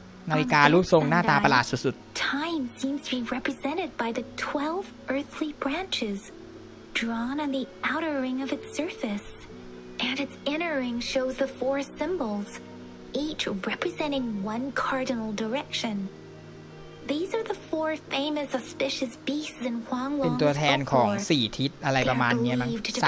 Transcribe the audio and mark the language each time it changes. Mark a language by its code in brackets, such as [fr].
[th] นาฬิการูปทรงหน้าตาประหลาดสุด [en] ๆ Time seems to be represented by the 12 earthly branches drawn on the outer ring of its surface and its inner ring shows the four symbols each representing one cardinal direction These are the four famous auspicious beasts in Huanglong [th] เป็นตัวแทนของ4ทิศอะไรประมาณนี้มั้งส